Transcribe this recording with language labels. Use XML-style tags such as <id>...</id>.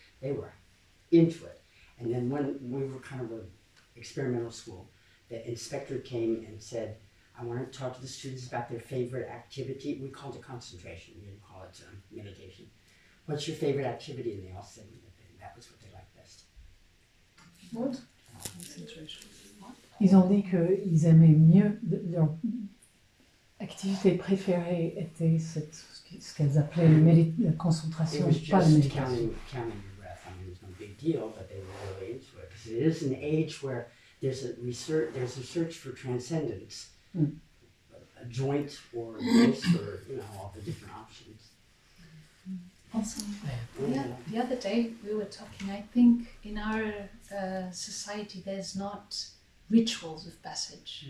<en>They were into it. And then when we were kind of an experimental school, the inspector came and said, I want to talk to the students about their favorite activity. We called it concentration. We didn't call it meditation. What's your favorite activity? And they all said that was what they liked best. What?</en> <fr>Ils ont dit qu'ils aimaient mieux, leur activité préférée était cette, ce qu'elles appelaient la concentration, pas la méditation.</fr> <en>It was just counting your breath. I mean, it was no big deal, but they were really into it. Because it is an age where there's a search for transcendence. Mm. A joint or a wrist or, you know, all the different options. Also, the other day we were talking, I think in our society there's not rituals of passage.</en>